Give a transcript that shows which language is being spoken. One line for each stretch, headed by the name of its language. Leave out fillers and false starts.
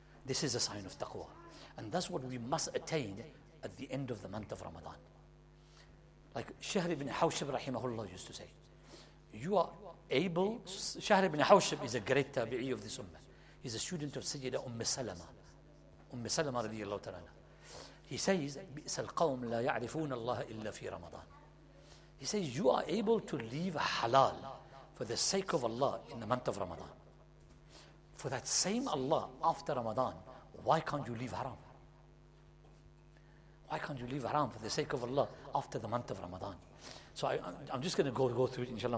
English: This is a sign of taqwa. And that's what we must attain at the end of the month of Ramadan. Like Shahr ibn Hawshib rahimahullah used to say, you are able, Shahr ibn Hawshib is a great tabi'i of this ummah. He's a student of Sayyidah Umm Salama radiallahu ta'ala. He says,
Arabic: بِئْسَ الْقَوْمْ لَا يَعْرِفُونَ اللَّهَ إِلَّا فِي رَمَضَانِ.
English: He says, you are able to leave halal for the sake of Allah in the month of Ramadan. For that same Allah after Ramadan, why can't you leave haram? Why can't you leave haram for the sake of Allah after the month of Ramadan? So I'm just going to go through it, inshallah.